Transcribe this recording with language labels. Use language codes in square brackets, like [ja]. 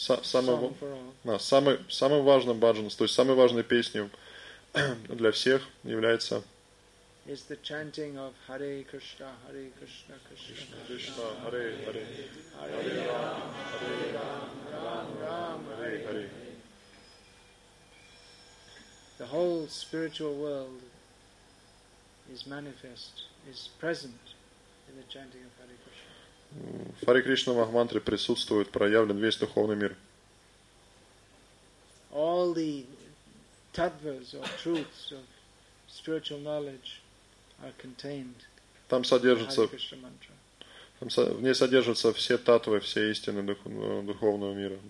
[ru] Самым важным bhajan, то есть самой важной песней для всех является [en] is the chanting of [sa] Hare Krishna, Hare Krishna, Krishna Krishna, Hare Hare, Hare Rama, Hare Rama, Rama Rama, Hare Hare. [en] The whole spiritual world is manifest, is present in the chanting of Hare Krishna. [ru] В Hare Krishna Махамантре присутствует, проявлен весь духовный мир. [en] All the tattvas or truths of spiritual knowledge are contained. [ru] Там содержится, в ней содержатся все татвы, все истины духовного мира.